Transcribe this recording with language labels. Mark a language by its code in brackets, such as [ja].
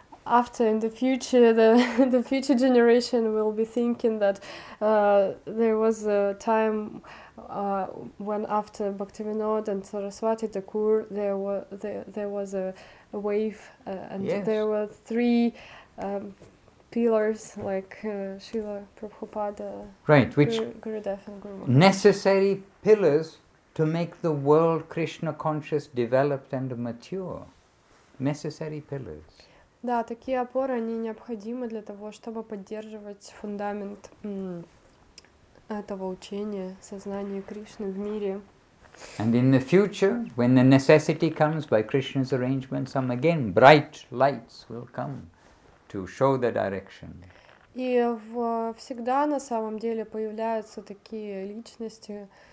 [en] after in the future, the future generation will be thinking that there was a time when after Bhaktivinoda and Saraswati Thakur, there was a wave, and yes, there were three pillars like Srila Prabhupada, right, which Gurudev and Guru Maharaj. Necessary pillars to make the world Krishna conscious, developed and mature. Necessary pillars. [ru] Да, такие опоры, они необходимы для того, чтобы поддерживать фундамент этого учения, сознания Кришны в мире. [en] And in the future, when the necessity comes by Krishna's arrangement, some again bright lights will come to show the direction. [ru] И всегда на самом деле появляются такие личности.